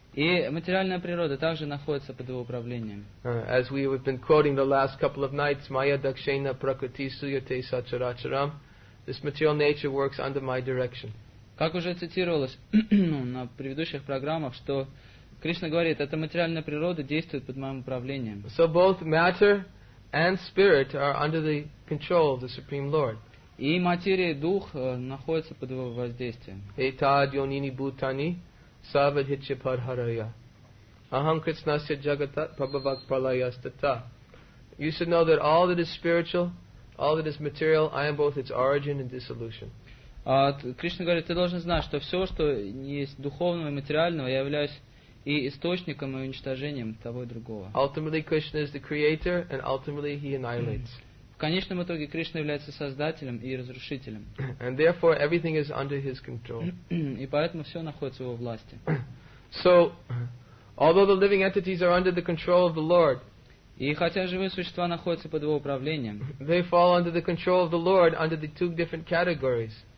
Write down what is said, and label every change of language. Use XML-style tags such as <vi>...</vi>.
<ru>И материальная природа также находится под Его управлением.</ru> <en>As we have been quoting the last couple of nights,</en> <sa>Maya Dakshena Prakriti Suyate Sacharacharam,</sa> <en>this material nature works under my direction.</en> <ru>Как уже цитировалось на предыдущих программах, что Кришна говорит, эта материальная природа действует под моим управлением.</ru> <en>So both matter and spirit are under the control of the Supreme Lord.</en> <ru>И материя, и дух находятся под Его воздействием.</ru> <sa>Этад Йонини Бутани Savadhitya Parharaya. Aham Krishnasya Jagatat Prabhavak Pralayastata.</sa> <en>You should know that all that is spiritual, all that is material, I am both its origin and dissolution.</en> <ru>Кришна говорит, ты должен знать, что все, что есть духовного и материального, я являюсь и источником, и уничтожением того и другого.</ru> <en>Ultimately, Krishna is the creator, and ultimately, He annihilates.</en> <ru>В конечном итоге Кришна является создателем и разрушителем.</ru> <en>And therefore everything is under His control.</en> <ru>И поэтому все находится в Его власти.</ru> <en>So, although the living entities are under the control of the Lord,</en> <ru>и хотя живые существа находятся под Его управлением,</ru> <en>they fall under the control of the Lord under the two different categories.</en>